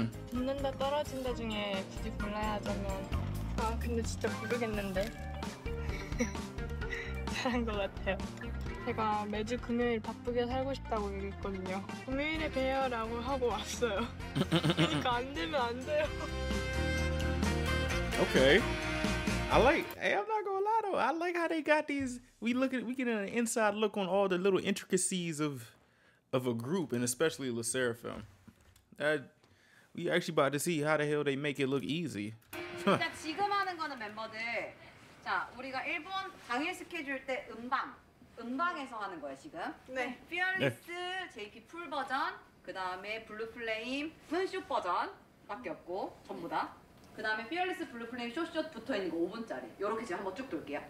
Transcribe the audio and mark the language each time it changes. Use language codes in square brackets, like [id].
[ko] 붙는다 떨어진다 중에 굳이 골라야 하자면 아, 근데 진짜 모르겠는데. 잘한 것 같아요. 제가 매주 금요일 바쁘게 살고 싶다고 얘기했거든요. 금요일에 뵈요 라고 하고 왔어요. 그러니까 안 되면 안 돼요. [en] Okay. I like, hey, I'm not gonna lie though. I like how they got these, we get an inside look on all the little intricacies of a group and especially Le Sserafim. We actually about to see how the hell they make it look easy. [ko] 일단 지금 하는 거는 멤버들. 자, 우리가 일본 당일 스케줄 때 음방에서 하는 거야 지금. 네. Fearless, 네. JP 풀 버전, 그 다음에 블루 플레임 훈쇼 버전밖에 없고 전부 다. 그 다음에 Fearless, 블루 플레임 쇼쇼 붙어 있는 거 5분짜리. 이렇게 지금 한번 쭉 돌게요.